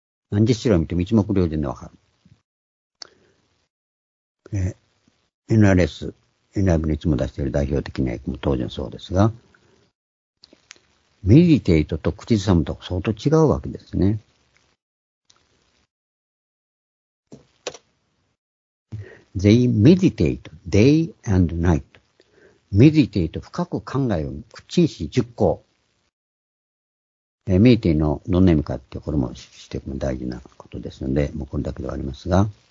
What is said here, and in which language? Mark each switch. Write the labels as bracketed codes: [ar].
[ja] 何十種類見ても一目瞭然でわかる。 NRS、NIV のいつも出している代表的な訳も当然そうですが、メディテイトと口ずさむと相当違うわけですね。 [en] They meditate day and night. [ja] メディテイト、深く考えを口にし熟考。メイティのどんな意味かって、これも知っていくのが大事なことですので、もうこれだけではありますが。